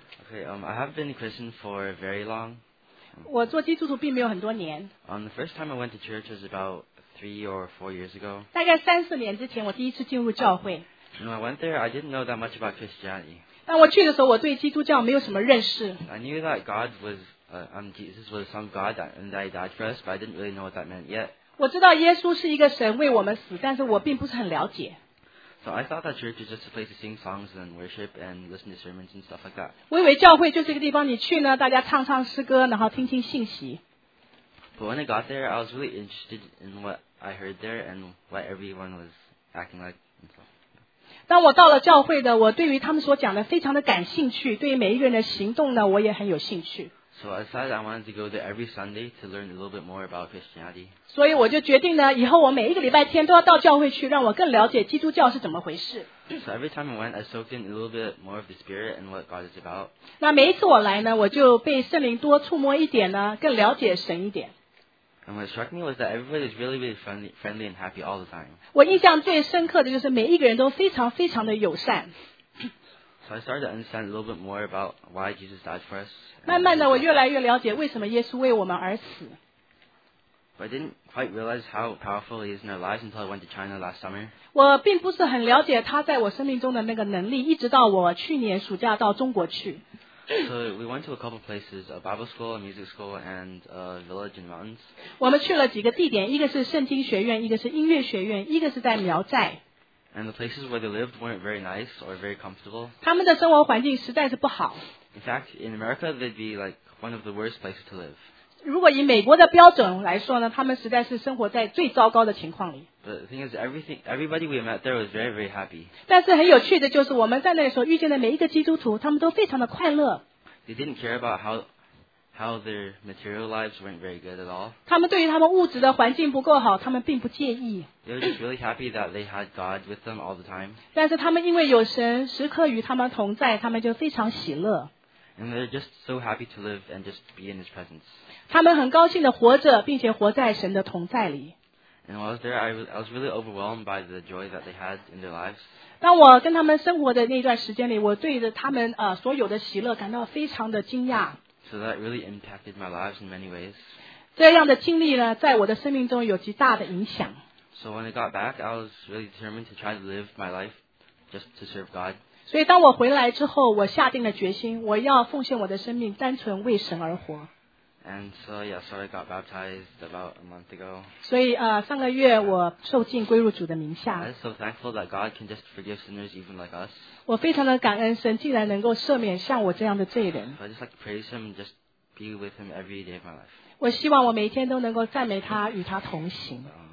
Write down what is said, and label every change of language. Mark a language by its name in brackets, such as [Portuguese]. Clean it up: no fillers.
[English] Okay, I haven't been a Christian for very long. [Chinese] 我做基督徒并没有很多年。 [English] The first time I went to church was about3 or 4 years ago. [Chinese] 大概三四年之前，我第一次进入教会。 [English] When I went there, I didn't know that much about Christianity. [Chinese] 但我去的时候，我对基督教没有什么认识。 [English] I knew that God was, Jesus was some God and that He died for us, but I didn't really know what that meant yet. [Chinese] 我知道耶稣是一个神为我们死，但是我并不是很了解。 [English] So I thought that church is just a place to sing songs and worship and listen to sermons and stuff like that. [Chinese] 我以为教会就是一个地方，你去呢，大家唱唱诗歌，然后听听信息。 [English] But when I got there, I was really interested in what I heard there and what everyone was acting like. [Chinese] 当我到了教会的，我对于他们所讲的非常的感兴趣，对于每一个人的行动呢，我也很有兴趣。 [English] So I decided I wanted to go there every Sunday to learn a little bit more about Christianity. [Chinese] 所以我就决定呢，以后我每一个礼拜天都要到教会去，让我更了解基督教是怎么回事。 [English] So every time I went, I soaked in a little bit more of the Spirit and what God is about. [Chinese] 那每一次我来呢，我就被圣灵多触摸一点呢，更了解神一点。 [English] And what struck me was that everybody is really, really friendly and happy all the time. [Chinese] 我印象最深刻的就是每一个人都非常非常的友善。 [English] So I started to understand a little bit more about why Jesus died for us. [Chinese] 慢慢的，我越来越了解为什么耶稣为我们而死。 [English] But I didn't quite realize how powerful He is in our lives until I went to China last summer. [Chinese] 我并不是很了解他在我生命中的那个能力，一直到我去年暑假到中国去。 [English] So we went to a couple of places, a Bible school, a music school, and a village in the mountains. [Chinese] 我们去了几个地点，一个是圣经学院，一个是音乐学院，一个是在苗寨。 [English] And the places where they lived weren't very nice or very comfortable. [Chinese] 他们的生活环境实在是不好。 [English] In fact, in America, they'd be like one of the worst places to live. [Chinese] 如果以美国的标准来说呢，他们实在是生活在最糟糕的情况里。 [English] But the thing is, everybody we met there was very, very happy. [Chinese] 但是很有趣的就是我们在那里所遇见的每一个基督徒，他们都非常的快乐。 [English] They didn't care about how their material lives weren't very good at all. [Chinese] 他们对于他们物质的环境不够好，他们并不介意。 [English] They were just really happy that they had God with them all the time. [Chinese] 但是他们因为有神时刻与他们同在，他们就非常喜乐。 [English] And they're just so happy to live and just be in His presence. [Chinese] 他们很高兴地活着，并且活在神的同在里。 [English] And while I was there, I was really overwhelmed by the joy that they had in their lives. [Chinese] 当我跟他们生活的那段时间里，我对着他们所有的喜乐感到非常的惊讶。 [English] So that really impacted my lives in many ways. [Chinese] 这样的经历呢，在我的生命中有极大的影响。 [English] So when I got back, I was really determined to try to live my life just to serve God. [Chinese] 所以当我回来之后，我下定了决心，我要奉献我的生命，单纯为神而活。 [English] And so, yeah, so I got baptized about a month ago. [Chinese] 所以上个月我受浸归入主的名下。 [English] I'm so thankful that God can just forgive sinners even like us. [Chinese] 我非常的感恩神竟然能够赦免像我这样的罪人。 [English] I just like to praise Him and just be with Him every day of my life. [Chinese] 我希望我每天都能够赞美他，与他同行。